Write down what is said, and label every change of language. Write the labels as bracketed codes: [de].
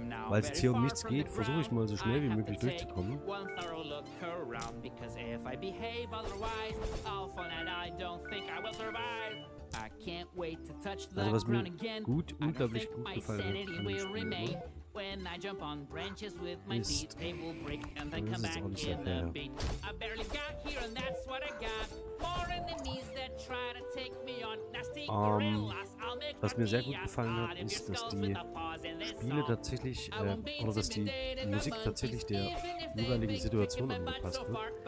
[de] Weil es hier um nichts geht, versuche ich mal so schnell wie möglich durchzukommen. [en] look around, because if I behave otherwise, I'll fall and I don't think I will survive. I can't wait to touch the ground again. [de] Gut, unglaublich gut gefallen hat, kann ich spielen, [en] when I jump on branches with my feet, they will break and then come back in a beat. I barely got here and that's what I got. More enemies that try to take me on. Nasty gorillas, I'll make [de] was mir sehr gut gefallen hat, ist, dass die Spiele tatsächlich, oder dass die Musik tatsächlich der jeweiligen Situation angepasst wird.